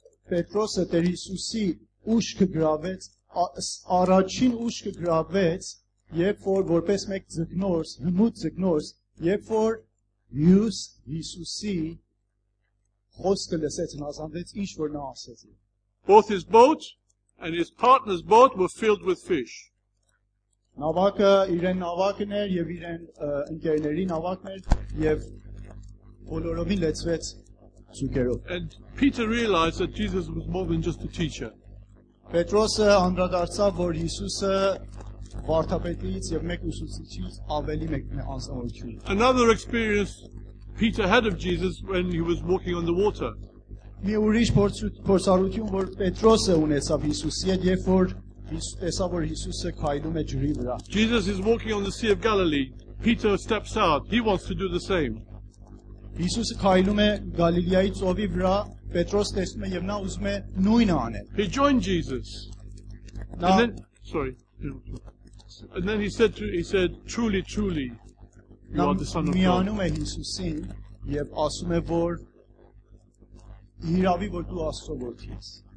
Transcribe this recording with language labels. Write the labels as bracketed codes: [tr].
[hy] Պետրոսը Տեր Հիսուսի ուշքը գրավեց, առաջին ուշքը գրավեց, երբ որ որպես մեկ ձկնորս, հմուտ ձկնորս, երբ որ Հիսուս Հիսուսի խոսքը լսեց, նա ասաց ինչ որ նա ասեց։ [en] Both his boat and his partner's boat were filled with fish. [hy] Navaka իրեն նավակն էր եւ իրեն ընկերների նավակն էր եւ բոլորովին լեցվեց ցուկերով. [en] And Peter realized that Jesus was more than just a teacher. [hy] Պետրոսը անդրադարձավ, որ Հիսուսը վարդապետից եւ մեկ ուսուցիչից ավելի մեծ է անձնավորություն։ [en] Another experience Peter had of Jesus when he was walking on the water. [hy] Մի ուրիշ փորձառություն, որ Պետրոսը ունեցավ Հիսուսի հետ, երբ որ տեսավ, որ Հիսուսը քայլում է ջրի վրա. [en] Jesus is walking on the Sea of Galilee. Peter steps out. He wants to do the same. [hy] Հիսուսը քայլում է Գալիլեայի ծովի վրա, Պետրոս տեսնում է եւ նա ուզում է նույնը անել. [en] He joined Jesus. And then sorry. And then he said truly truly you are the son of God. [hy] Միանում է Հիսուսին եւ ասում է, որ իրավի որ դու Աստծո որդի ես.